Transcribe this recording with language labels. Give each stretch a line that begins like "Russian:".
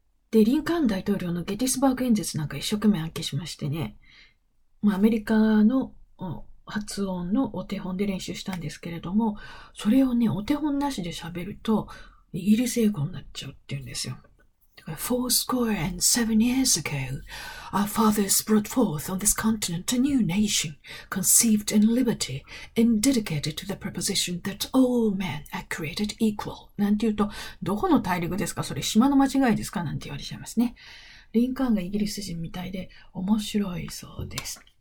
Japanese: で、リンカーン大統領のゲティスバーグ演説なんか一生懸命暗記しましてね、アメリカの発音のお手本で練習したんですけれども、それをね、お手本なしで喋るとイギリス英語になっちゃうっていうんですよ。だから、
English: Four score and seven years ago, our fathers brought forth on this continent a new nation, conceived in liberty and dedicated to the proposition that all men are created equal.
Japanese: なんて言うと、どこの大陸ですか？それ島の間違いですか？なんて言われちゃいますね。リンカーンがイギリス人みたいで面白いそうです。